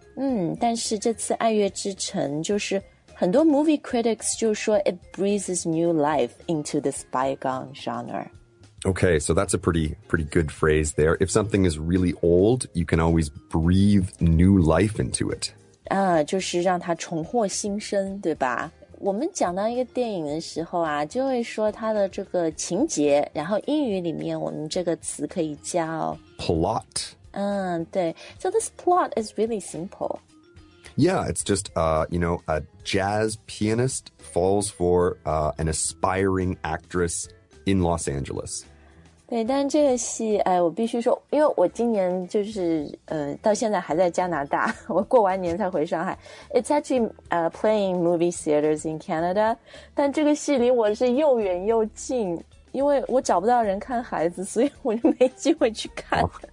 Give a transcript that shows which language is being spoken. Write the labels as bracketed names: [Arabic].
[Chinese] 嗯，但是这次爱乐之城就是很多 [English] movie critics [Chinese] 就说 [English] it breathes new life into the bygone genre。 Okay, so that's a pretty good phrase there. If something is really old, you can always breathe new life into it. [Chinese] 啊、就是让它重获新生，对吧？我们讲到一个电影的时候啊，就会说它的这个情节，然后英语里面我们这个词可以叫 [English] plot. 嗯，对。So this plot is really simple. Yeah, it's just, you know, a jazz pianist falls for an aspiring actress. In Los Angeles. [Chinese] 对，但这个戏，哎，我必须说，因为我今年就是，到现在还在加拿大，我过完年才回上海。 [English] It's actually, playing movie theaters in Canada. [Chinese] 但这个戏离我是又远又近，因为我找不到人看孩子，所以我就没机会去看。